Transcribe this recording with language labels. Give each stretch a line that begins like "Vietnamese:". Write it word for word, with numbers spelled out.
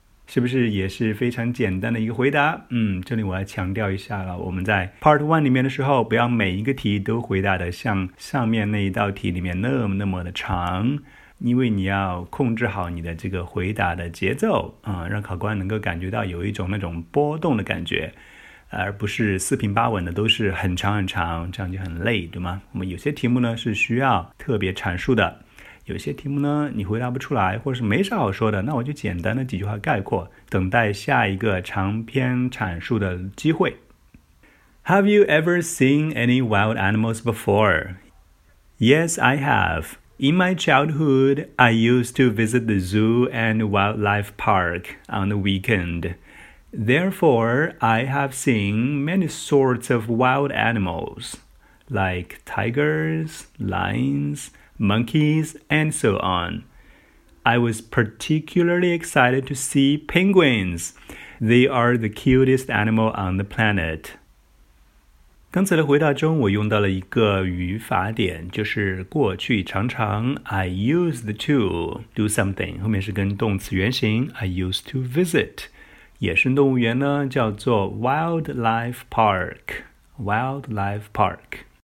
Chinese: 是不是也是非常简单的一个回答？嗯，这里我要强调一下了，我们在 Part One 里面的时候，不要每一个题都回答的像上面那一道题里面那么那么的长，因为你要控制好你的这个回答的节奏啊、嗯，让考官能够感觉到有一种那种波动的感觉，而不是四平八稳的都是很长很长，这样就很累，对吗？我们有些题目呢是需要特别阐述的。有些题目呢你回答不出来或者是没啥好说的，那我就简单的几句话概括，等待下一个长篇阐述的机会。
English: Have you ever seen any wild animals before? Yes, I have. In my childhood, I used to visit the zoo and wildlife park on the weekend. Therefore, I have seen many sorts of wild animals, like tigers, lions, monkeys, and so on. I was particularly excited to see penguins. They are the cutest animal on the planet.
Chinese: 刚才的回答中，我用到了一个语法点，就是过去常常
English: I used to do something，
Chinese: 后面是跟动词原形
English: I used to visit。
Chinese: 野生动物园呢叫做 wildlife park, wildlife park。